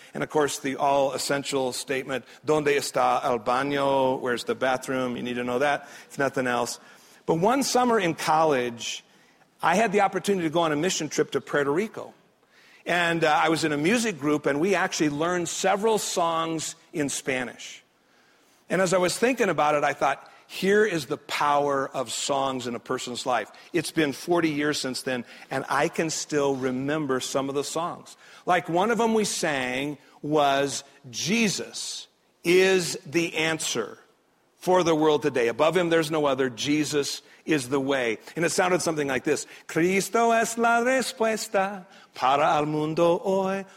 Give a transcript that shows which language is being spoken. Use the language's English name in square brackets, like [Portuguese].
[English] And of course, the all-essential statement, [Spanish] ¿Dónde está el baño? [English] Where's the bathroom? You need to know that, if nothing else. But one summer in college, I had the opportunity to go on a mission trip to Puerto Rico. And I was in a music group, and we actually learned several songs in Spanish. And as I was thinking about it, I thought, here is the power of songs in a person's life. It's been 40 years since then, and I can still remember some of the songs. Like one of them we sang was, Jesus is the answer for the world today. Above him, there's no other. Jesus is the way. And it sounded something like this. [Spanish] Cristo es la respuesta para el mundo hoy.